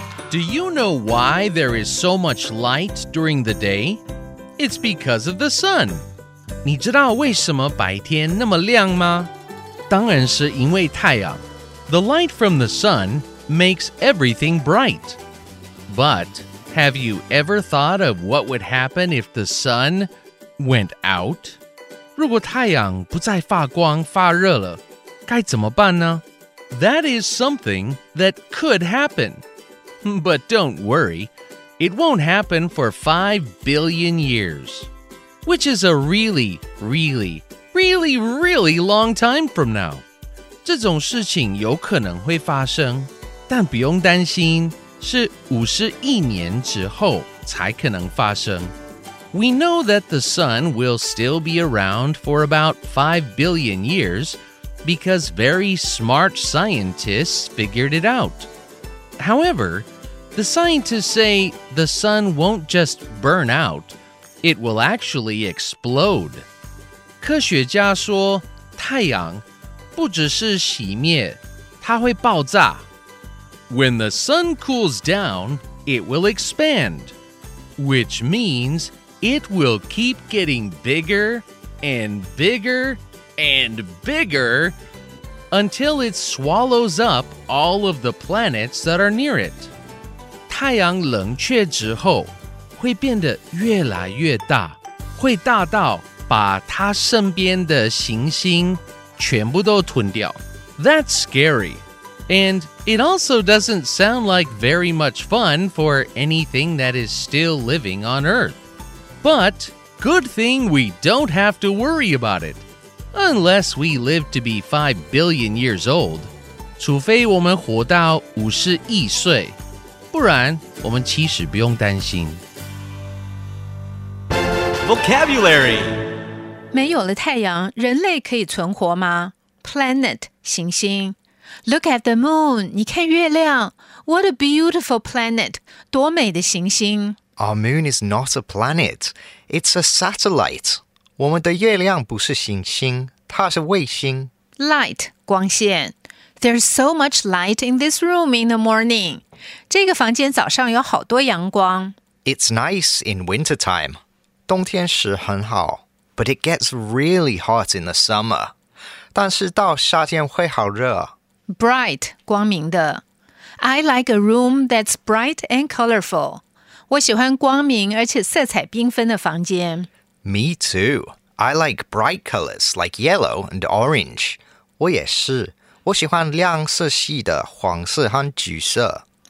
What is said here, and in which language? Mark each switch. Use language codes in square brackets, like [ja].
[en] Do you know why there is so much light during the day? It's because of the sun. [zh] 你知道为什么白天那么亮吗？当然是因为太阳。 [en] The light from the sun makes everything bright. But have you ever thought of what would happen if the sun went out? [zh] 如果太阳不再发光发热了，该怎么办呢？ [en] That is something that could happen. But don't worry, it won't happen for 5 billion years, which is a really, really, really, really long time from now. [zh] 这种事情有可能会发生，但不用担心，是五十亿年之后才可能发生。 [en] We know that the sun will still be around for about 5 billion years because very smart scientists figured it out. However,The scientists say the sun won't just burn out, it will actually explode. [zh] 科学家说太阳不只是熄灭，它会爆炸。 [en] When the sun cools down, it will expand, which means it will keep getting bigger and bigger and bigger until it swallows up all of the planets that are near it. [zh] 太阳冷却之后会变得越来越大，会大到把它身边的行星全部都吞掉。 [en] That's scary. And it also doesn't sound like very much fun for anything that is still living on Earth. But good thing we don't have to worry about it. Unless we live to be 5 billion years old. [zh] 除非我们活到五十亿岁。不然，我们其实不用担心。 [en] Vocabulary， [zh] 没有了太阳，人类可以存活吗 ？Planet， 行星。 [en] Look at the moon， [zh] 你看月亮。 [en] What a beautiful planet， [zh] 多美的行星。 [en] Our moon is not a planet， it's a satellite。 [zh] 我们的月亮不是行星，它是卫星。 [en] Light， 光线。 There's so much light in this room in the morning. [zh] 这个房间早上有好多阳光。 [en] It's nice in winter time. [zh] 冬天时很好。 [en] But it gets really hot in the summer. [zh] 但是到夏天会好热。 [en] Bright, 光明的。 I like a room that's bright and colorful. [zh] 我喜欢光明而且色彩缤纷的房间。 [en] Me too. I like bright colors like yellow and orange. [zh] 我也是。我喜欢亮色系的黄色和橘色。